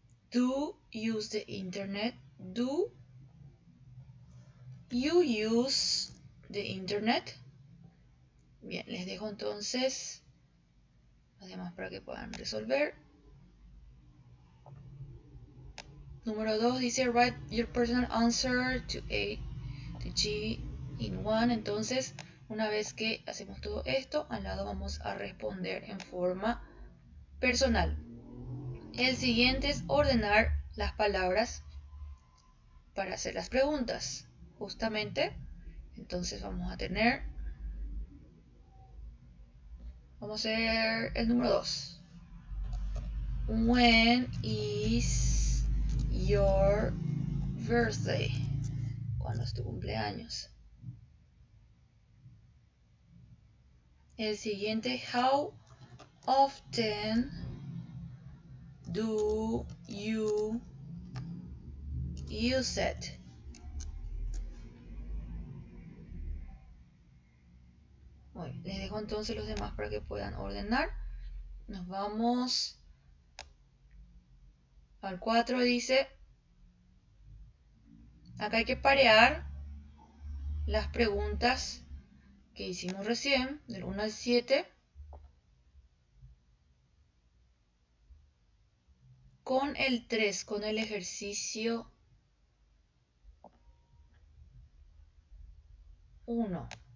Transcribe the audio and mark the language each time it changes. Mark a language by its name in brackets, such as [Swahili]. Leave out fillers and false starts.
[English] Do you use the internet? Do you use the internet? [Spanish] Bien, les dejo entonces las demás para que puedan resolver. Número 2 dice: [English] Write your personal answer to G in one. [Spanish] Entonces, una vez que hacemos todo esto, al lado vamos a responder en forma personal. El siguiente es ordenar las palabras para hacer las preguntas, justamente. Entonces vamos a hacer el número 2. [English] When is your birthday? [Spanish] ¿Cuándo es tu cumpleaños? El siguiente, [English] how often do you use it? [Spanish] Bueno, les dejo entonces los demás para que puedan ordenar. Nos vamos al 4, dice. Acá hay que parear las preguntas que hicimos recién, del 1 al 7, con el 3, con el ejercicio 1.